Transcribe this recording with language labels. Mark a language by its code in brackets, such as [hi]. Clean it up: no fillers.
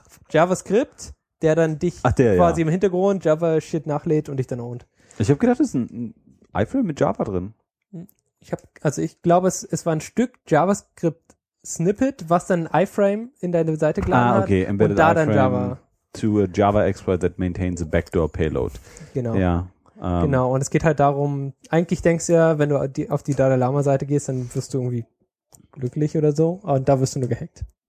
[de] JavaScript, der dann dich im Hintergrund Java-Shit nachlädt und dich dann ownt. Ich habe gedacht, es ist ein iPhone mit Java drin. Ich glaube, es war ein Stück JavaScript-Snippet, was dann ein iframe in deine Seite geladen hat. Ah, okay. Embedded hat, und da iframe dann Java. [en] To a Java exploit that maintains a backdoor payload. [de] Genau. Ja. Genau. Und es geht halt darum, eigentlich denkst du ja, wenn du auf die Dalai Lama-Seite gehst, dann wirst du irgendwie glücklich oder so. Und da wirst du nur gehackt.